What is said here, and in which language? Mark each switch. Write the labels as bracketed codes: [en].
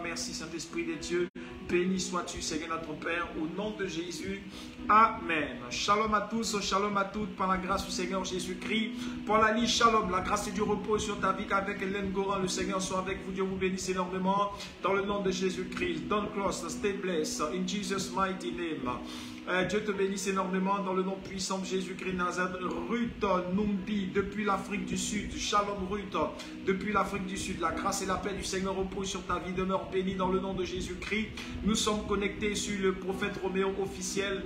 [fr] Merci, Saint-Esprit des dieux. Béni sois-tu, Seigneur notre Père, au nom de Jésus. Amen. Shalom à tous, shalom à toutes, par la grâce du Seigneur Jésus-Christ. Pour la vie, shalom, la grâce de Dieu repose sur ta vie, qu'avec Hélène Goran, le Seigneur soit avec vous. Dieu vous bénisse énormément, dans le nom de Jésus-Christ. [en] Don't cross, stay blessed, in Jesus' mighty name. [fr] Dieu te bénisse énormément dans le nom puissant de Jésus-Christ Nazareth. Ruth Numbi, depuis l'Afrique du Sud. Shalom Ruth, depuis l'Afrique du Sud. La grâce et la paix du Seigneur repose sur ta vie. Demeure bénie dans le nom de Jésus-Christ. Nous sommes connectés sur le prophète Roméo officiel.